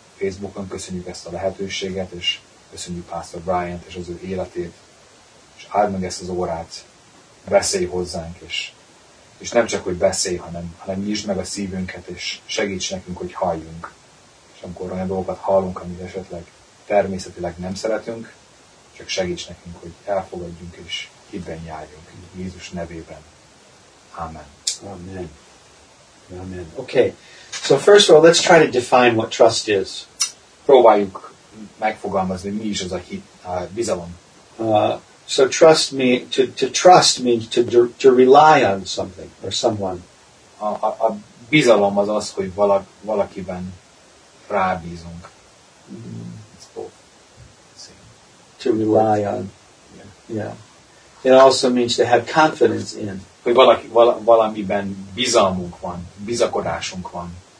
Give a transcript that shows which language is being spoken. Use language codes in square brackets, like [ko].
[hu] Facebookon köszönjük ezt a lehetőséget, és köszönjük Pastor Bryant és az ő életét, és áld meg ezt az órát, beszélj hozzánk, és nem csak, hogy beszélj, hanem nyisd meg a szívünket, és segíts nekünk, hogy halljunk. És amikor olyan dolgokat hallunk, amit esetleg természetileg nem szeretünk, csak segíts nekünk, hogy elfogadjunk, és hitben járjunk, Jézus nevében. Amen. Amen. Amen. Okay. [en] So first of all, let's try to define what trust is. [hu] Próbáljuk megfogalmazni, mi is az a hit, bizalom. [en] So trust me to trust means to rely on something or someone. [hu] A bizalom az, hogy valakiben rábízunk. [en] To rely on. Yeah. It also means to have confidence in. [hu] Hogy valamiben bizalmunk van, bizakodásunk van.